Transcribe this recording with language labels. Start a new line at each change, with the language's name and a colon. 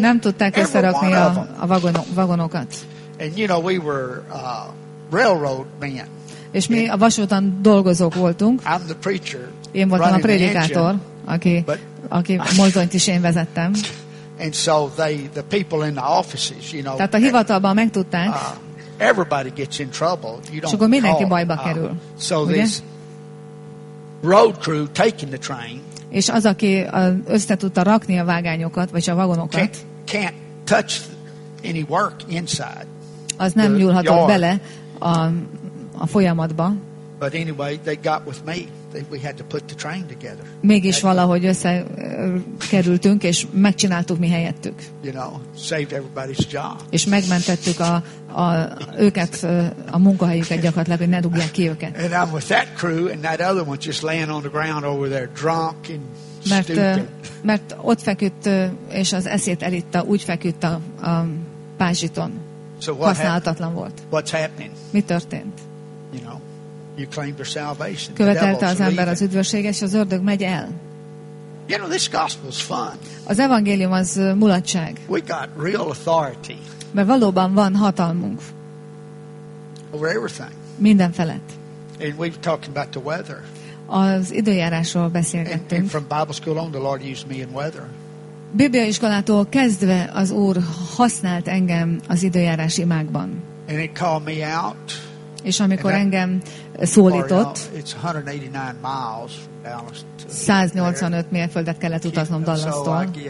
Hungarian: Nem tudták összerakni a vagonokat.
English: And you know we were railroad men.
Hungarian: És mi a vasúton dolgozók voltunk.
English: I'm the preacher.
Hungarian: Én voltam a prédikátor, aki mozdonyt is én vezettem.
English: And so the people in the offices, you know.
Hungarian: Tehát a hivatalban megtudták.
English: Everybody gets in trouble. You don't.
Hungarian: És akkor mindenki bajba kerül.
English: So this road crew taking the train.
Hungarian: És az, aki össze tudta rakni a vágányokat vagy a vagonokat.
English: Can't touch any work inside.
Hungarian: Az nem nyúlhatott bele a folyamatba.
English: But anyway, they got with me. We had to put the train together.
Hungarian: Mégis valahogy összekerültünk, és megcsináltuk mi helyettük.
English: You know, saved everybody's job.
Hungarian: És megmentettük a őket, a munkahelyüket gyakorlatilag, hogy ne dugják ki őket.
English: And I'm with that crew, and that other one just laying on the ground over there, drunk and stupid.
Hungarian: Mert ott feküdt, és az eszét elitta, úgy feküdt a pázsiton.
English: So
Hungarian: használhatatlan volt.
English: What's happening?
Hungarian: Mi történt?
English: You know. You claimed your salvation.
Hungarian: Követelte az ember az üdvösséget, és az ördög megy el.
English: You know, this gospel's fun.
Hungarian: Az evangélium az mulatság.
English: We got real authority.
Hungarian: Mert valóban van hatalmunk.
English: Over everything.
Hungarian: Minden felett.
English: And we've talked about the weather.
Hungarian: Az időjárásról beszélgettünk.
English: And from Bible school on, the Lord used me in weather.
Hungarian: Biblia iskolától kezdve az Úr használt engem az időjárás imákban.
English: And he called me out.
Hungarian: És amikor engem szólított, 185 mérföldet kellett utaznom Dallastól.